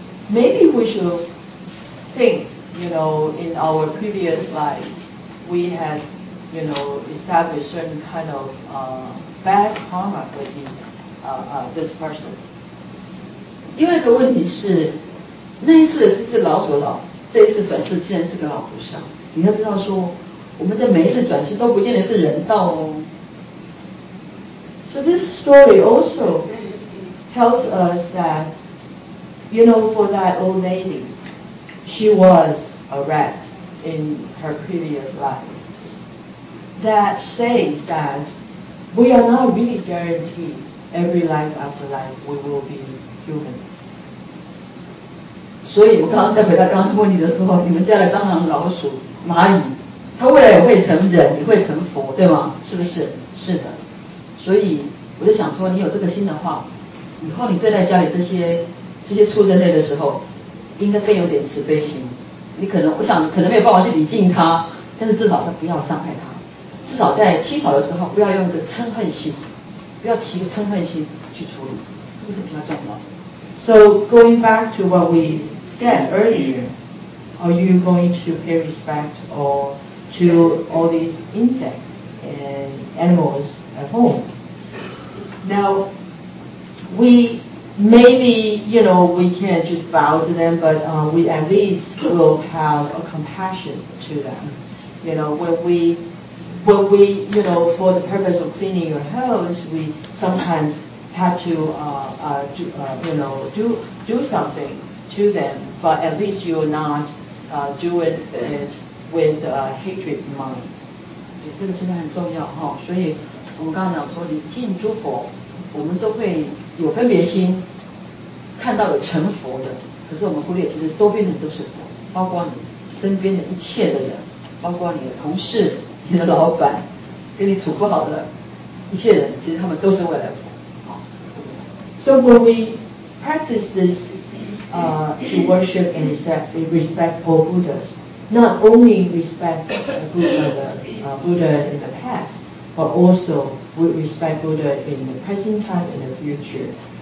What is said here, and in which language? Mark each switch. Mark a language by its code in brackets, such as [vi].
[en] Maybe we should think, in our previous life, we had, established certain kind of bad karma with this person. [zh] 另外一个问题是，那一次是只老鼠老，这一次转世竟然是个老和尚。你要知道说，我们的每一次转世都不见得是人道哦。 [en] So this story also tells us that, for that old lady, she was a rat in her previous life. That says that we are not really guaranteed every life after life we will be human. [zh] 所以我刚刚再回到刚刚问你的时候，你们家的蟑螂、老鼠、蚂蚁，它未来也会成人，也会成佛，对吗？是不是？是的。所以我就想说，你有这个心的话，以后你对待家里这些畜生类的时候，应该更有点慈悲心。你可能，我想可能没有办法去礼敬他，但是至少他不要伤害他，至少在清扫的时候不要用一个嗔恨心，不要起一个嗔恨心去处理，这个是比较重要的。 [en] So going back to what we said earlier, are you going to pay respect or to all these insects and animals at home? Now. We maybe, we can't just bow to them, but we at least will have a compassion to them. When we for the purpose of cleaning your house, we sometimes have to, do something to them, but at least you will not do it with a hatred mind. [zh] 这个真的很重要哈，所以我们刚刚讲说，你敬诸佛，我们都会有分别心，看到有成佛的，可是我们忽略其实周边的都是佛，包括你身边的一切的人，包括你的同事、你的老板，跟你处不好的一切人，其实他们都是未来佛。 [en] So when we practice this to worship and respect all Buddhas, not only respect Buddha in the past, but also we respect Buddha in the present time and the future.